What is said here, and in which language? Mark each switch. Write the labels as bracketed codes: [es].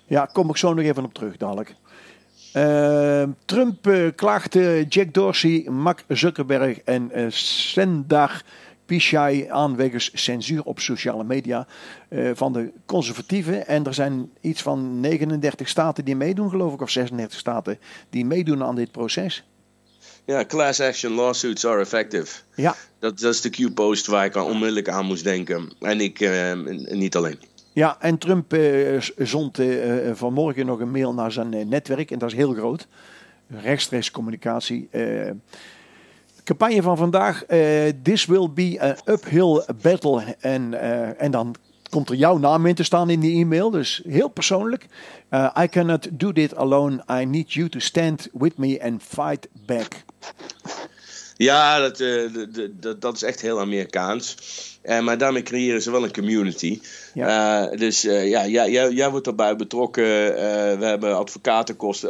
[nl] Ja, kom ik zo nog even op terug, dadelijk. Trump klaagt Jack Dorsey, Mark Zuckerberg en Sundar Pichai aan wegens censuur op sociale media van de conservatieven. En er zijn iets van 39 staten die meedoen, geloof ik, of 36 staten die meedoen aan dit proces. Ja, [en] class action lawsuits are effective. [nl] Ja. Dat is de Q-post waar ik onmiddellijk aan moest denken. En ik niet alleen. Ja, en Trump zond vanmorgen nog een mail naar zijn netwerk. En dat is heel groot. Rechtstreeks communicatie. Campagne van vandaag, [en] this will be an uphill battle. [nl] En dan komt er jouw naam in te staan in die e-mail. Dus heel persoonlijk. [en] I cannot do this alone. I need you to stand with me and fight back. [nl] Ja, dat is echt heel Amerikaans. Maar daarmee creëren ze wel een community. Ja. Jij wordt erbij betrokken. We hebben advocatenkosten.